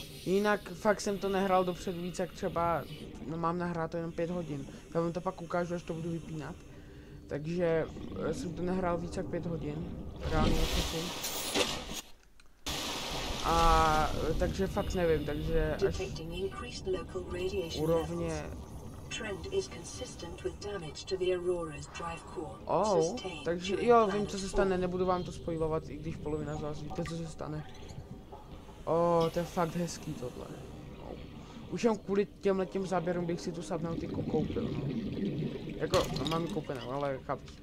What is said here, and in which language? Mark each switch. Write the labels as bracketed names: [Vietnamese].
[Czech] Jinak fakt jsem to nehrál dopředu víc, jak třeba, no mám nahráto jenom 5 hodin. Já vám to pak ukážu, až to budu vypínat. Takže jsem to nehrál víc jak 5 hodin. Reálně asi. A takže fakt nevím, takže až úrovně. [English] Trend is consistent with damage to the Aurora's drive core. [Czech] Oh, takže jo, vím, co se stane, nebudu vám to spoilovat, i když polovina z vás víte, co se stane. Oh, to je fakt hezký tohle. Už jen kvůli těmhle těm záběrům bych si tu Subnautiku koupil, no. Jako, no, mám koupenou, ale chápu.